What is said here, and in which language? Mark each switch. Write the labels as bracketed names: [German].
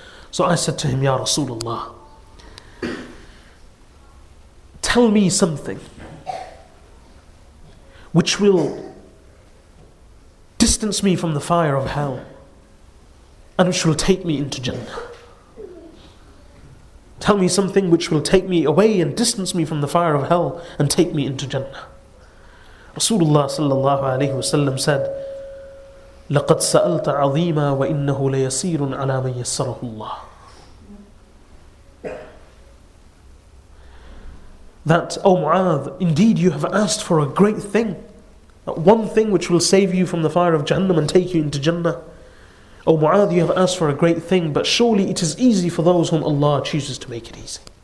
[English] So I said to him, Ya Rasulullah, tell me something which will distance me from the fire of hell and which will take me into Jannah. Tell me something which will take me away and distance me from the fire of hell and take me into Jannah. Rasulullah sallallahu alayhi wasallam said, [Arabic] لَقَدْ سَأَلْتَ عَظِيمًا وَإِنَّهُ لَيَسِيرٌ عَلَى مَنْ يَسَّرَهُ اللَّهُ. [English] That, O Mu'adh, indeed you have asked for a great thing, one thing which will save you from the fire of Jahannam and take you into Jannah. O Mu'adh, you have asked for a great thing, but surely it is easy for those whom Allah chooses to make it easy.